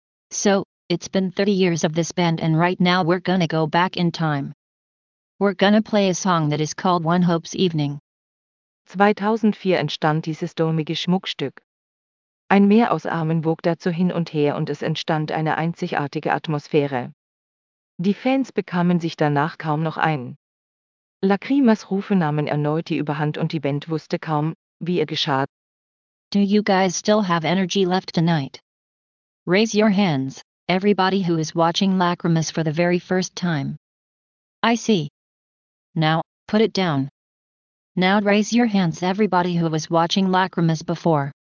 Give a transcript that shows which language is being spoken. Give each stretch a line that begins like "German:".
English: So, it's been 30 years of this band and right now we're gonna go back in time. We're gonna play a song that is called One Hope's Evening.
German: 2004 entstand dieses dummige Schmuckstück. Ein Meer aus Armen wog dazu hin und her und es entstand eine einzigartige Atmosphäre. Die Fans bekamen sich danach kaum noch ein. Lacrimas Rufe nahmen erneut die Überhand und die Band wusste kaum, wie ihr geschah.
English: Do you guys still have energy left tonight? Raise your hands, everybody who is watching Lacrimas for the very first time. I see. Now, put it down. Now raise your hands everybody who was watching Lacrimas before.